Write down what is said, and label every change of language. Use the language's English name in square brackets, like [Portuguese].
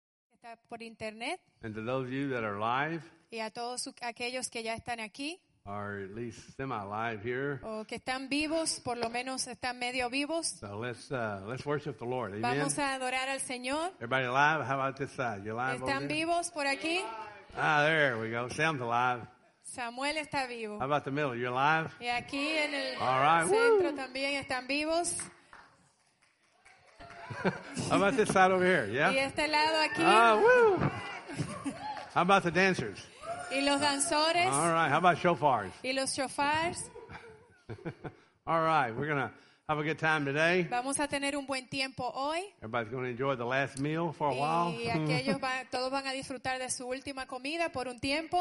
[Spanish] conecta por internet. [English] And to those of you that are live. [Spanish] Y a todos aquellos que ya están aquí. [English] Are at least semi-alive here. [Spanish] O que están vivos, por lo menos están medio vivos. [English] So let's worship the Lord. Amen. [Spanish] Vamos a adorar al Señor. [English] Everybody alive? How about this side? You alive? [Spanish] Están vivos por aquí. [English] Ah, there we go. Sam's alive. [Spanish] Samuel está vivo. [English] How about the middle? You alive? [Spanish] Y aquí en el centro también están vivos. [English] How about this side over here? Yeah. [Spanish] Y este lado aquí. [English] Woo! How about the dancers? [Spanish] Y los danzores. [English] All right. How about shofars? [Spanish] Y los shofars. [English] All right. We're gonna have a good time today. [Spanish] Vamos a tener un buen tiempo hoy. [English] Everybody's gonna enjoy the last meal for a while. [Spanish] Y aquellos todos van a disfrutar de su última comida por un tiempo.